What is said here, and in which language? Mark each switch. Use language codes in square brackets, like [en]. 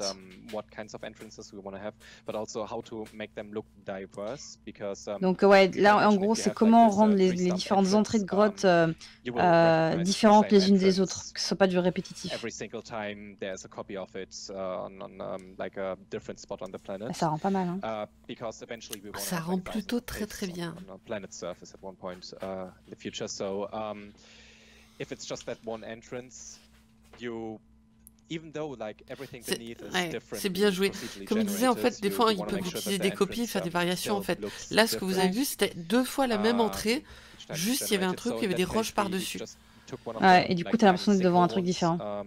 [en] Out, what kinds of entrances we want to have, but also how to make them look diverse because. [fr] Donc ouais, là en gros c'est comment rendre les différentes entrées de grotte différentes les unes des autres, que ce soit pas du répétitif. [en] Every single time there's a copy of it on like a different spot on the planet. [fr] Ça rend pas mal. Hein. [en] Because eventually we [fr] ça rend plutôt très très bien. [en] On planet surface at one point in the future, so. If it's just that one entrance, you, even though like everything beneath [fr] c'est, [en] is different, [fr] c'est bien joué. Comme je disais, en fait, des fois, ils peuvent utiliser des copies, faire des variations, en fait. Là, ce que vous avez vu, c'était deux fois la même entrée, juste il y avait un truc, il y avait des roches par-dessus. Ouais, et du coup, t'as l'impression d'être devant un truc différent.